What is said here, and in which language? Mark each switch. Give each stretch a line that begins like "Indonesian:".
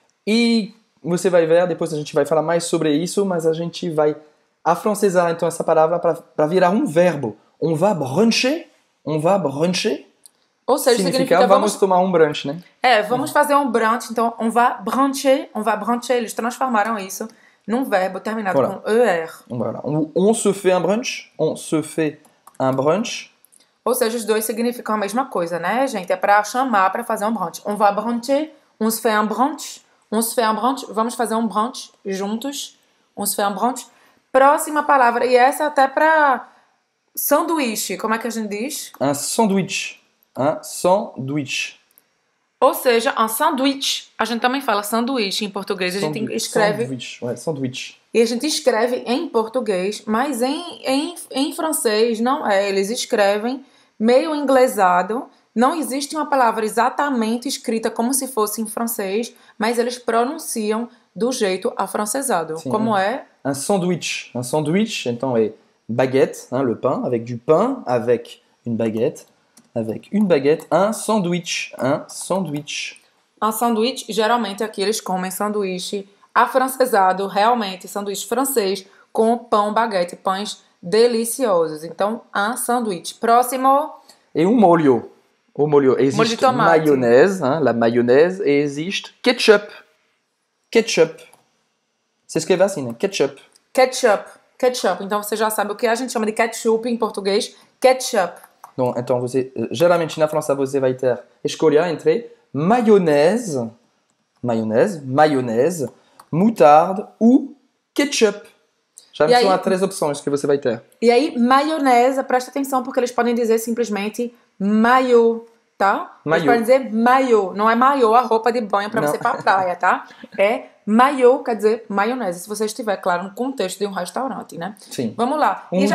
Portuguese: E você vai ver, depois a gente vai falar mais sobre isso, mas a gente vai afrancesar então essa palavra para virar um verbo.
French: On va bruncher? On va bruncher?
Portuguese: Ou seja, Significa significa vamos tomar um brunch, né? vamos fazer um brunch. Então,
French: on va bruncher,
Portuguese: eles transformaram isso num verbo terminado com
French: Voilà. er. On se fait un brunch? On se fait un brunch.
Portuguese: Ou seja, os dois significam a mesma coisa, né, gente? É para chamar para fazer um brunch.
French: On va bruncher, on se fait un brunch. On se fait un brunch,
Portuguese: vamos fazer um brunch juntos.
French: On se fait un brunch.
Portuguese: Próxima palavra, e essa até para sanduíche. Como é que a gente diz?
French: Un sandwich. Un sandwich.
Portuguese: Ou seja,
French: un sandwich.
Portuguese: A gente também fala sanduíche em português. A gente escreve...
French: Sandwich.
Portuguese: E a gente escreve em português, mas em francês não é. Eles escrevem meio inglesado. Não existe uma palavra exatamente escrita como se fosse em francês, mas eles pronunciam do jeito afrancesado. Sim, como é?
French: Un sandwich. Un sandwich, então, é baguette, hein, le pain, avec du pain, avec une baguette. Avec une baguette, un sandwich. Un sandwich.
Portuguese: Un sandwich, geralmente, aqui eles comem sanduíche afrancesado, realmente, sanduíche francês, com pão baguette, pães deliciosos. Então, un sandwich. Próximo. E um molho. O molho. Existe maionese, hein,
French: la mayonnaise,
Portuguese: e existe ketchup. Ketchup.
French: C'est ce qu'il y a
Portuguese: assim, né? Ketchup.
English: Ketchup. Ketchup.
Portuguese: Então, você já sabe o que a gente chama de ketchup em português.
English: Ketchup.
French: Donc, attends, vous, généralement, en France, vous allez faire
Portuguese: escolher
French: entre mayonnaise, moutarde ou ketchup. Já me sont trois options que vous allez faire.
Portuguese: E aí, mayonnaise, preste atenção, porque eles podem dizer simplesmente mayo, tá? Mayo. Eles podem dizer mayo. Não é mayo, a roupa de banho para você ir para a praia, tá? É mayo, quer dizer maionese, se você estiver, claro, no contexto de um restaurante, né? Sim. Vamos lá. Um e já